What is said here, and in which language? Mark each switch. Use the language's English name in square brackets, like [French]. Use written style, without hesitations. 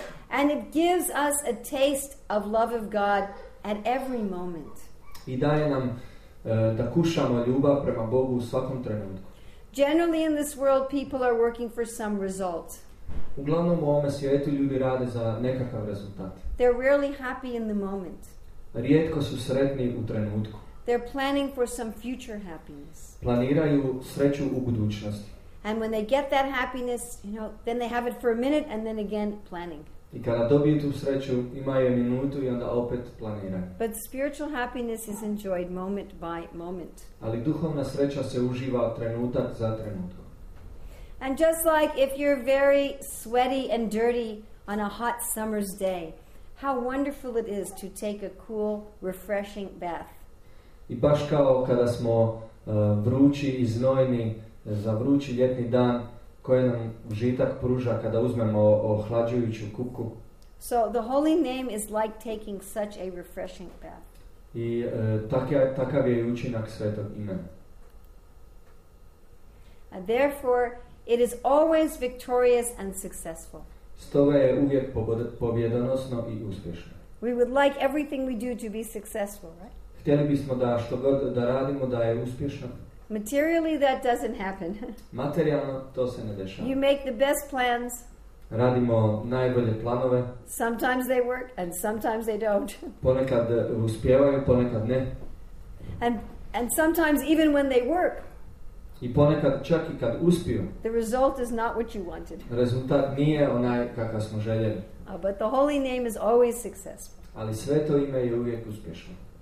[English] And it gives us a taste of love of God at every moment. [Croatian] I daje nam da kušamo ljubav prema Bogu u svakom trenutku. [English] Generally in this world people are working for some result. [Croatian] Uglavnom u ovome svijetu ljudi rade za nekakav rezultat. [English] They're rarely happy in the moment. [Croatian] Rijetko su sretni u trenutku. [English] They're planning for some future happiness. [Croatian] Planiraju sreću u budućnosti. [English] And when they get that happiness, you know, then they have it for a minute and then again planning. [Croatian] I kada dobiju tu sreću, imaju minutu i onda opet planiraju. [English] But spiritual happiness is enjoyed moment by moment. [Croatian] Ali duhovna sreća se uživa trenutak za trenutkom. [English] And just like if you're very sweaty and dirty on a hot summer's day, how wonderful it is to take a cool, refreshing bath. [Croatian] I baš kao kada smo vrući i znojni za vrući ljetni dan, koje nam užitak pruža kada uzmemo ohlađujuću kupku. [English] So the holy name is like taking such a refreshing bath. [Croatian] I takav je učinak svetog imena. [English] And therefore, it is always victorious and successful. [Croatian] Stoga je uvijek pobjedonosno i uspješno. [English] We would like everything we do to be successful, right? [Croatian] Htjeli bismo da što god da radimo da je uspješno. [English] Materially, that doesn't happen. [Croatian] Materijalno to se ne dešava. [English] You make the best plans. [Croatian] Radimo najbolje planove. [English] Sometimes they work and sometimes they don't. [Croatian] Ponekad uspijevaju, ponekad ne. [English] And sometimes even when they work. [Croatian] I ponekad čak i kad uspiju. [English] The result is not what you wanted. [Croatian] Rezultat nije onaj kakav smo željeli. [English] But the holy name is always successful. [Croatian] Ali sveto ime je uvijek uspješno.